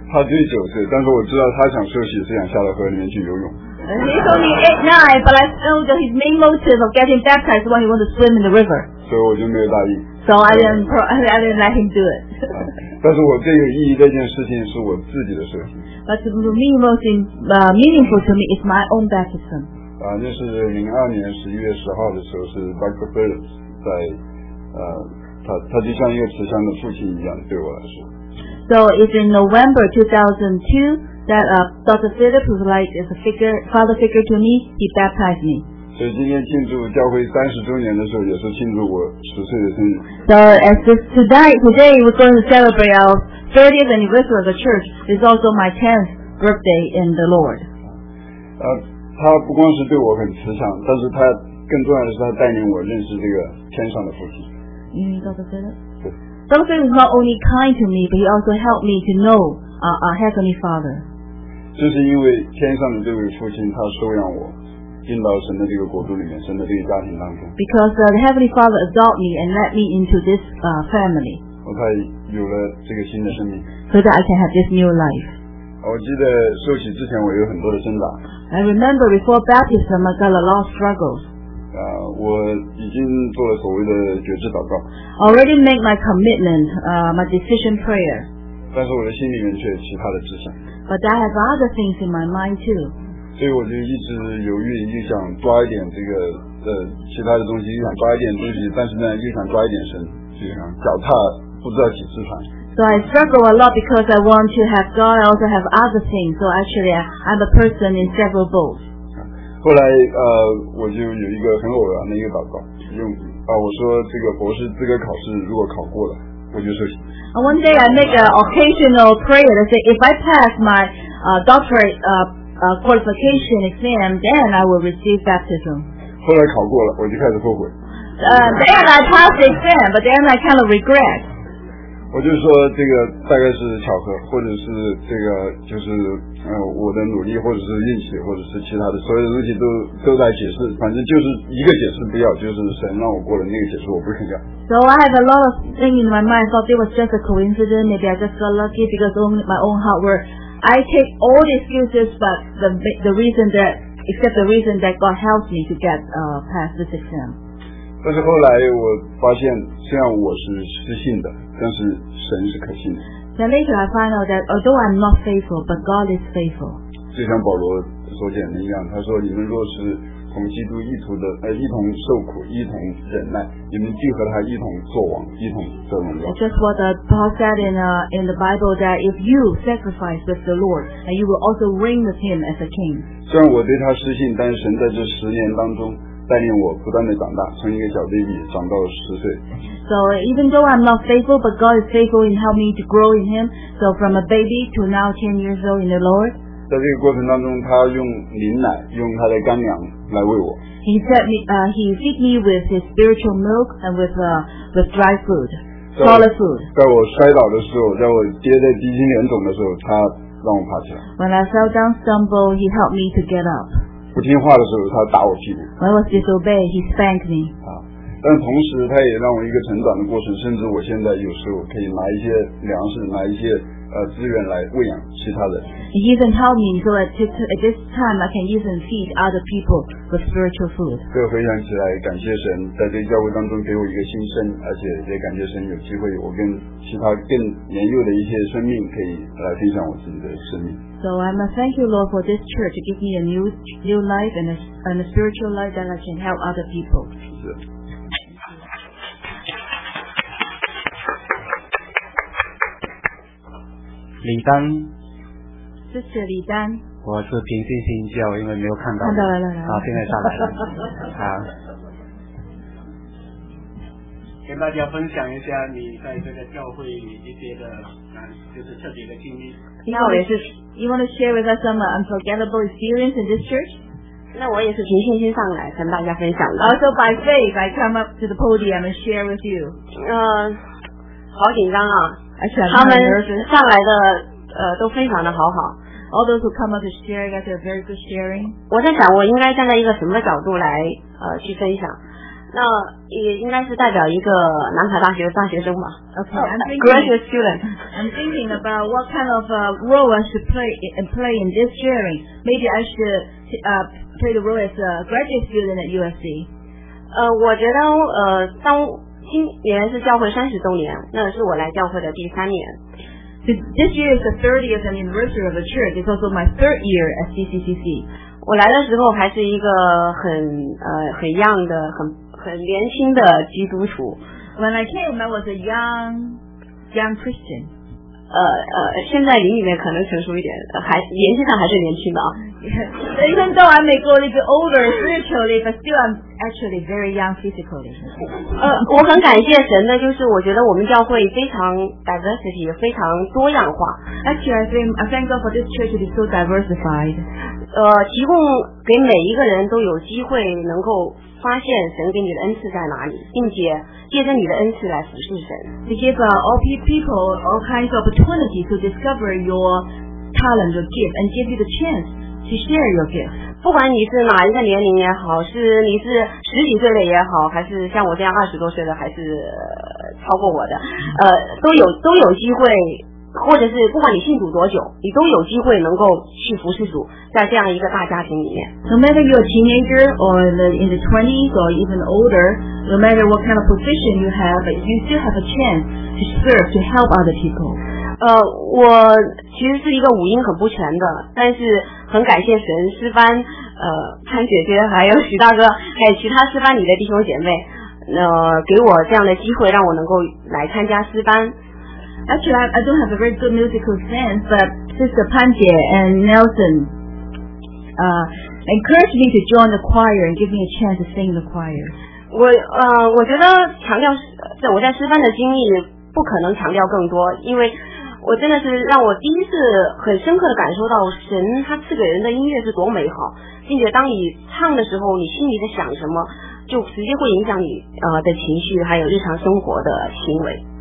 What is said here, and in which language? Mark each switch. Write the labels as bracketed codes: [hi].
[zh] 他只有九岁，但是我知道他想受洗是想下到河里面去游泳。 [en] He's only 8-9, but I know that his main motive of getting baptized is when he wants to swim in the river. [zh] 所以我就没有答应。 [en] So I didn't let him do it. [zh] 但是我最有意义的一件事情是我自己的事情。 [en] But to me, most meaningful to me is my own baptism. [zh] 就是2002年11月10号的时候，是 Michael Phillips 在他就像一个慈祥的父亲一样对我来说。 [en] So it's in November 2002 that Dr. Phillips was like a father figure to me. He baptized me. [zh] 所以今天庆祝教会30周年的时候，也是庆祝我10岁的生日。 [en] So as today we're going to celebrate our 30th anniversary of the church. It's also my 10th birthday in the Lord. [zh] 他不光是对我很慈祥，但是他更重要的是他带领我认识这个天上的父亲。 [en] Dr. Philip is not only kind to me, but he also helped me to know our heavenly Father. [zh] 这是因为天上的这位父亲他收养我。进到神的这个国度里面，神的这个家庭当中。 [en] Because the Heavenly Father adopted me and let me into this family. [zh] 我才有了这个新的生命。 [en] So that I can have this new life. [zh] 我记得受洗之前我有很多的挣扎。 [en] I remember before baptism I got a lot of struggles. [zh] 我已经做了所谓的决志祷告。 [en] Already make my commitment, my decision prayer. [zh] 但是我的心里面却有其他的志向。 [en] But I have other things in my mind too. [zh] 所以我就一直犹豫，又想抓一点这个其他的东西，又想抓一点东西，但是呢又想抓一点神，就想脚踏不知道几只船。 [en] So I struggle a lot because I want to have God, I also have other things. So actually, I'm a person in several boats. [zh] 后来我就有一个很偶然的一个祷告，用我说这个博士资格考试如果考过了，我就受洗。 [en] One day I make an occasional prayer to say if I pass my doctorate. Qualification exam, then I will receive baptism. [zh] 后来考过了，我就开始后悔。 [en] Then I passed the exam, but then I kind of regret. [zh] 我就说这个大概是巧合，或者是这个就是我的努力，或者是运气，或者是其他的，所有的东西都在解释，反正就是一个解释不要，就是神让我过了那个解释我不肯要。 [en] So I have a lot of things in my mind. Thought it was just a coincidence. Maybe I just got lucky because only my own hard work. I take all the excuses, but the reason that God helped me to get past this exam. [zh] 但是后来我发现，虽然我是失信的，但是神是可信的。 [en] Then later I find out that although I'm not faithful, but God is faithful. [zh] 就像保罗所讲的一样，他说：“你们若是同基督一图的一同受苦，一同忍耐，你们聚合他一同作王，一同做荣耀。 [en] Just what Paul said in the Bible, that if you sacrifice with the Lord, you will also reign with him as a king. [zh] 虽然我对他失信，但神在这十年当中带领我不断地长大，从一个小 baby 长到了十岁。 [en] So even though I'm not faithful, but God is faithful in helping me to grow in Him. So from a baby to now 10 years old in the Lord. [zh] 在这个过程当中，他用灵奶，用他的干粮来喂我。 [en] He fed me, he feed me with his spiritual milk and with dry food, solid food. [zh] 在我摔倒的时候，在我跌得鼻青脸肿的时候，他让我爬起来。 [en] When I fell down, stumbled, he helped me to get up. [zh] 不听话的时候，他打我屁股。 [en] When I was disobeyed, he spanked me. [zh] 但同时他也让我一个成长的过程，甚至我现在有时候可以拿一些粮食，拿一些资源来喂养其他人。 [en] He even helped me, so at this time I can even feed other people with spiritual food. [zh] 所以回想起来，感谢神在这教会当中给我一个新生，而且也感谢神有机会我跟其他更年幼的一些生命可以来分享我自己的生命。 [en] So I must thank you, Lord, for this church to give me a new life and a spiritual life that I can help other people. [zh] 是。李丹，这是李丹。我是平静心教，因为没有看到。看到了，好，现在上来了。好，跟大家分享一下你在这个教会里一些的，就是特别的经历。那我也是。 [en] You want to share with us some unforgettable experience in this church? [zh] 那我也是平静心上来跟大家分享的。 [en] Also by faith, I come up to the podium and share with you. [zh] 好紧张啊。他们上来的都非常的好好。 [en] All those who come up to share, that they're very good sharing. [zh] 我在想，我应该站在一个什么角度来去分享？那也应该是代表一个南卡大学的大学生吧。 [en] Okay, I'm thinking, graduate student. I'm thinking about what kind of role I should play in this sharing. Maybe I should play the role as a graduate student at USC. [zh] 我觉得当今年是教会三十周年，那是我来教会的第三年。 [en] This year is the 30th anniversary of the church. It's also my third year at CCCC. [zh] 我来的时候还是一个很 [en] young [zh] 的，很年轻的基督徒。 [en] When I came, I was a young Christian. [zh] 现在灵里面可能成熟一点，还年纪上还是年轻的啊。 [en] Yeah. Even though I may grow a little bit older spiritually, but still I'm actually very young physically. [zh] 我很感谢神的，就是我觉得我们教会非常 [en] diversity, [zh] 非常多样化。 [en] Actually, I thank God for this church to be so diversified. [zh] 提供给每一个人都有机会能够发现神给你的恩赐在哪里，并且借着你的恩赐来服侍神。 [en] To give all people all kinds of opportunity to discover your talent, your gift, and give you the chance. To share your gift. [zh] 不管你是哪一个年龄也好，是你是十几岁的也好，还是像我这样二十多岁的，还是超过我的，都有机会，或者是不管你信主多久，你都有机会能够去服侍主，在这样一个大家庭里面。 [en] No matter you're a teenager or in the 20s or even older, no matter what kind of position you have, you still have a chance to serve to help other people. [zh] 我其实是一个五音很不全的，但是很感谢神，师班潘姐姐还有许大哥，还有其他师班里的弟兄姐妹，给我这样的机会，让我能够来参加师班。 [en] Actually, I don't have a very good musical sense, but Sister 潘姐 and Nelson encouraged me to join the choir and give me a chance to sing the choir. [zh] 我觉得强调是我在师班的经历不可能强调更多，因为。我真的是让我第一次很深刻的感受到神他赐给人的音乐是多美好，并且当你唱的时候，你心里在想什么，就直接会影响你的情绪，还有日常生活的行为。